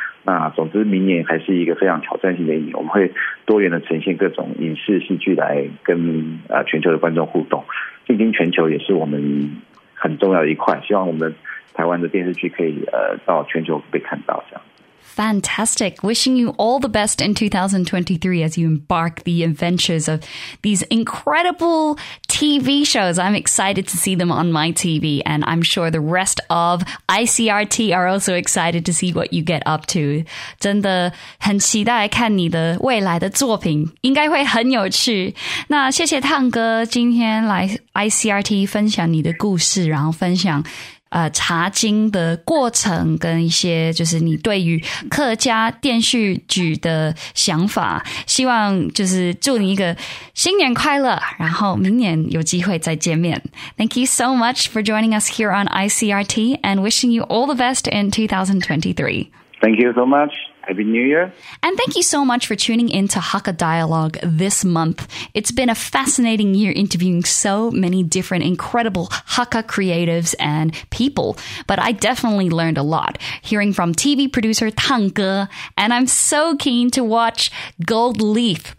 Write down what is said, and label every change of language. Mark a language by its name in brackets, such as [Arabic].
[Chinese] 那总之，明年还是一个非常挑战性的一年，我们会多元的呈现各种影视戏剧来跟全球的观众互动。进军全球也是我们很重要的一块，希望我们台湾的电视剧可以到全球被看到这样。 [English] Fantastic. Wishing you all the best in 2023 as you embark the adventures of these incredible TV shows. I'm excited to see them on my TV, and I'm sure the rest of ICRT are also excited to see what you get up to. [Chinese] 真的很期待看你的未来的作品，应该会很有趣。那谢谢汤哥今天来 ICRT 分享你的故事，然后分享查经的过程跟一些就是你对于客家电视剧的想法，希望就是祝你一个新年快乐，然后明年有机会再见面。 [English] Thank you so much for joining us here on ICRT and wishing you all the best in 2023. Thank you so much. Happy New Year. And thank you so much for tuning in to Hakka Dialogue this month. It's been a fascinating year interviewing so many different incredible Hakka creatives and people, but I definitely learned a lot hearing from TV producer Tang Ge, and I'm so keen to watch Gold Leaf.